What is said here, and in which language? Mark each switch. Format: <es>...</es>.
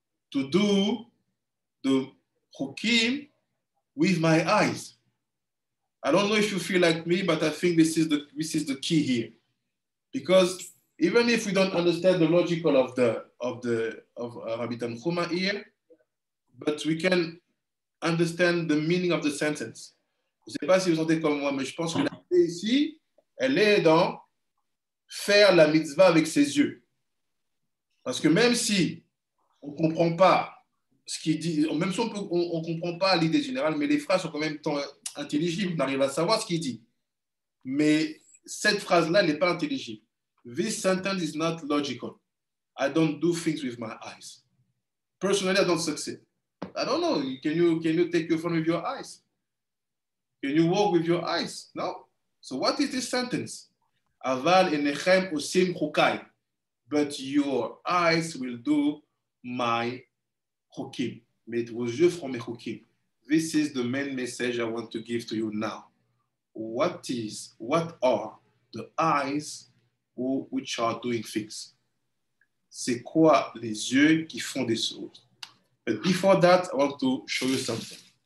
<en>To do the hukim with my eyes. I don't know if you feel like me, but I think this is the key here. Because even if we don't understand the logical of Rabbi Tanhuma here, but we can understand the meaning of the sentence.</en> <fr>Je ne sais pas si vous sentez comme moi, mais je pense que la clé ici, elle est dans faire la mitzvah avec ses yeux. Parce que même si on ne comprend pas ce qu'il dit, même si on ne comprend pas l'idée générale, mais les phrases sont quand même tant intelligibles, on arrive à savoir ce qu'il dit. Mais cette phrase-là, elle n'est pas intelligible.</fr> <en>This sentence is not logical. I don't do things with my eyes. Personally, I don't succeed. I don't know. Can you take your phone with your eyes? Can you walk with your eyes? No. So what is this sentence?</en> <he>Aval enechem osim chukai.</he> <en>But your eyes will do my chukim.</en> <fr>Mais vos yeux feront mes chukim.</fr> <en>This is the main message I want to give to you now. What are the eyes which are doing things?</en> <fr>C'est quoi les yeux qui font des choses?</fr> <en>But before that, I want to show you something.</en>